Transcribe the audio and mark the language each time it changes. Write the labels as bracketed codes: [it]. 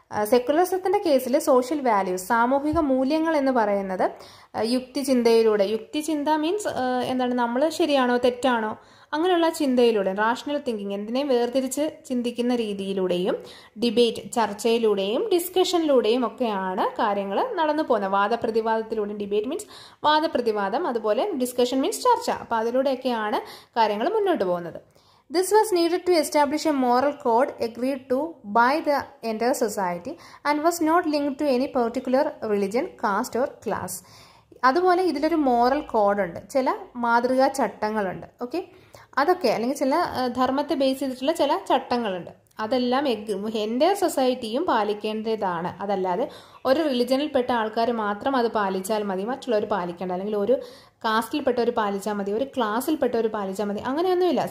[ml] സെക്കുലറിസത്തിൻ്റെ കേസിൽ social values സാമൂഹിക മൂല്യങ്ങൾ എന്ന് പറയുന്നത് യുക്തിചിന്തയിലൂടെ, യുക്തിചിന്ത മീൻസ് എന്താണ് നമ്മൾ ശരിയാണോ തെറ്റാണോ അങ്ങനെയുള്ള ചിന്തയിലൂടെ, റാഷണൽ തിങ്കിങ് എന്തിനെ വേർതിരിച്ച് ചിന്തിക്കുന്ന രീതിയിലൂടെയും ഡിബേറ്റ് ചർച്ചയിലൂടെയും ഡിസ്കഷനിലൂടെയും ഒക്കെയാണ് കാര്യങ്ങൾ നടന്നു പോകുന്നത്. വാദപ്രതിവാദത്തിലൂടെയും, ഡിബേറ്റ് മീൻസ് വാദപ്രതിവാദം, അതുപോലെ ഡിസ്കഷൻ മീൻസ് ചർച്ച. അപ്പോൾ അതിലൂടെയൊക്കെയാണ് കാര്യങ്ങൾ മുന്നോട്ട് പോകുന്നത്. [en] This was needed to establish a moral code agreed to by the entire society and was not linked to any particular religion, caste or class. [ml] അതുപോലെ ഇതിലൊരു മോറൽ കോഡുണ്ട്, ചില മാതൃകാ ചട്ടങ്ങളുണ്ട്. ഓക്കെ, അതൊക്കെ അല്ലെങ്കിൽ ചില ധർമ്മത്തെ ബേസ് ചെയ്തിട്ടുള്ള ചില ചട്ടങ്ങളുണ്ട്, അതെല്ലാം എൻ്റെ സൊസൈറ്റിയും പാലിക്കേണ്ടതാണ്. അതല്ലാതെ ഒരു റിലിജനിൽപ്പെട്ട ആൾക്കാർ മാത്രം അത് പാലിച്ചാൽ മതി, മറ്റുള്ളവർ പാലിക്കേണ്ട, അല്ലെങ്കിൽ ഒരു കാസ്റ്റിൽപ്പെട്ടവർ പാലിച്ചാൽ മതി, ഒരു ക്ലാസ്സിൽപ്പെട്ടവർ പാലിച്ചാൽ മതി, അങ്ങനെയൊന്നുമില്ല.